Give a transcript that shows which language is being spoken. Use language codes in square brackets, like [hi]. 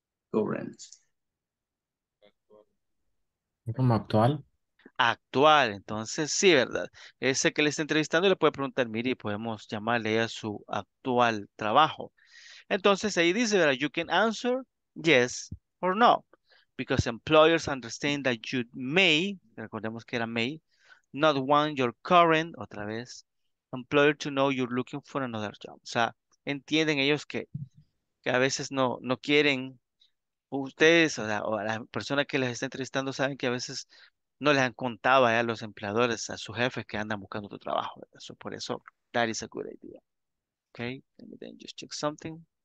[en] Current. [es] ¿Como actual? Actual. Entonces, sí, ¿verdad? Ese que le está entrevistando le puede preguntar, mire, podemos llamarle a su actual trabajo. Entonces, ahí dice, ¿verdad? [en] You can answer yes or no. Because employers understand that you may, [es] recordemos que era [en] may, not want your current, [es] otra vez, [en] employer to know you're looking for another job. [es] O sea, entienden ellos que a veces no quieren, ustedes o la persona que les está entrevistando saben que a veces no les han contado a los empleadores, a sus jefes que andan buscando otro trabajo. [en] So, [es] por eso, [en] that is a good idea. Okay, let me then just check something.